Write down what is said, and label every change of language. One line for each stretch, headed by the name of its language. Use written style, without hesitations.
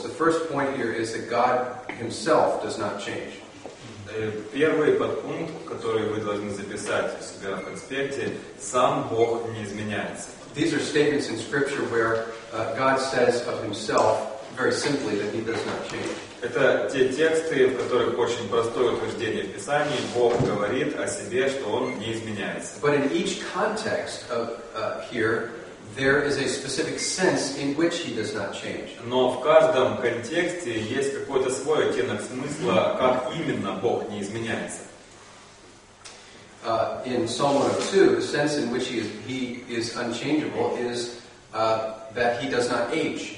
English: The first point here is that God himself does not change.
Russian: Первый подпункт, который вы должны записать у себя в конспекте, сам Бог не изменяется.
English: These are statements in Scripture where God says of himself, very simply, that he does not change.
Russian: Это те тексты, в которых очень простое утверждение в Писании. Бог говорит о себе, что он не изменяется.
English: But in each context of here, there is a specific sense in which he does not change.
Russian: Но в каждом контексте есть какой-то свой оттенок смысла, как именно Бог не изменяется.
English: In Psalm 102, the sense in which he is unchangeable is that he does not age.